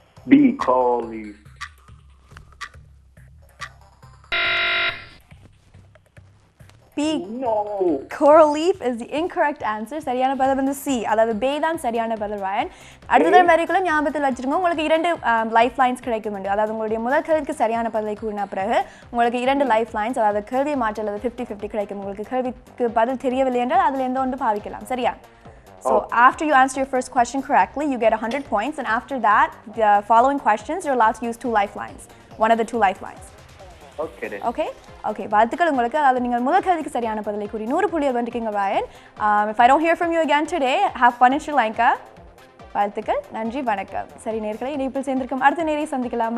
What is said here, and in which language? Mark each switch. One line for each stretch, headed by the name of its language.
English: B, call me. B, no. Coral leaf is the incorrect answer.
Tamil: சரியான பதில் வந்து C. அதாவது பே தான் சரியான பதில் ராயன். அடுத்த மாதிரிக்குள்ள ஞாபகத்தில் வச்சிருங்க, உங்களுக்கு இரண்டு லைஃப் லைன்ஸ் கிடைக்கும் உண்டு. அதாவது உங்களுடைய முதல் கேள்விக்கு சரியான பதிலை கூறின பிறகு உங்களுக்கு இரண்டு லைஃப் லைன்ஸ், அதாவது கேள்வி மாற்ற அல்லது 50-50 கிடைக்கும். உங்களுக்கு கேள்விக்கு பதில் தெரியவில்லை என்றால் அதில் எந்த ஒன்று பாவிக்கலாம். சரியா?
English: So after you answer your first question correctly, you get 100 points. And after that, the following questions, you're allowed to use two lifelines. One of the two lifelines. Okay then. Okay? Okay.
Tamil: வாழ்த்துக்கள் உங்களுக்கு. அதாவது நீங்கள் முதல் கேள்விக்கு சரியான பதிலை கூறி 100 புள்ளிகள் வென்றிருக்கீங்க Rayan.
English: If I don't hear from you again today, have fun in Sri Lanka.
Tamil: வாழ்த்துக்கள். நன்றி. வணக்கம். சரி நேர்களை, இணைப்பில் சேர்ந்திருக்கும் அடுத்த நேரையை சந்திக்கலாம்.